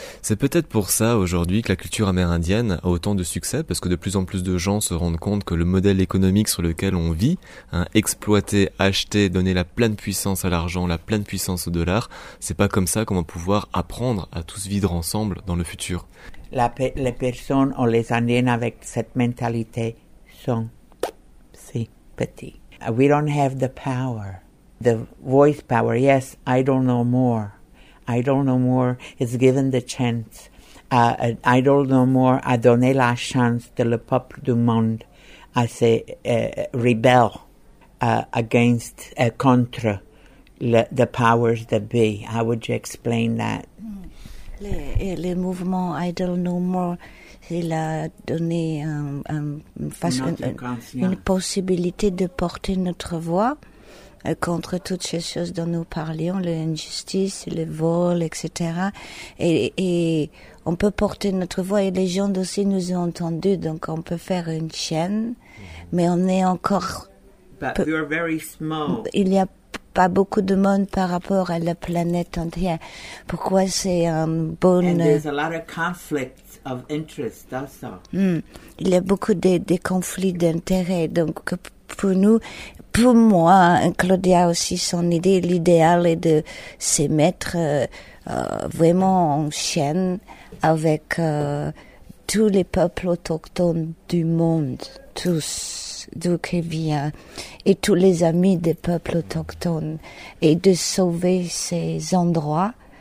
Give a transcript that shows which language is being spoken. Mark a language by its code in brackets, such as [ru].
[fr] C'est peut-être pour ça aujourd'hui que la culture amérindienne a autant de succès, parce que de plus en plus de gens se rendent compte que le modèle économique sur lequel on vit, hein, exploiter, acheter, donner la pleine puissance à l'argent, la pleine puissance au dollar, c'est pas comme ça qu'on va pouvoir apprendre à tous vivre ensemble dans le futur. Les personnes ou les Indiens avec cette mentalité sont si petits. [en] We don't have the power, the voice power. Yes, I don't know more. I don't know more is given the chance. [fr] I don't know more a donné la chance de le peuple du monde à se rebeller [en] against [fr] contre [en] the powers that be. How would you explain that? [fr] Le mouvement I don't know more, il a donné une possibilité de porter notre voix. Contre toutes ces choses dont nous parlions, l'injustice, le vol, etc. Et on peut porter notre voix et les gens aussi nous ont entendu, donc on peut faire une chaîne, mais on est encore... [en] But we are very small. [fr] Il n'y a pas beaucoup de monde par rapport à la planète entière. Pourquoi c'est un bon... [en] And there's a lot of conflicts of interest also. [fr] Il y a beaucoup de conflits d'intérêts, donc pour nous... Pour moi, Claudia aussi, son idée, l'idéal est de se mettre vraiment en chaîne avec tous les peuples autochtones du monde, tous d'où qu'ils viennent, et tous les amis des peuples autochtones, et de sauver ces endroits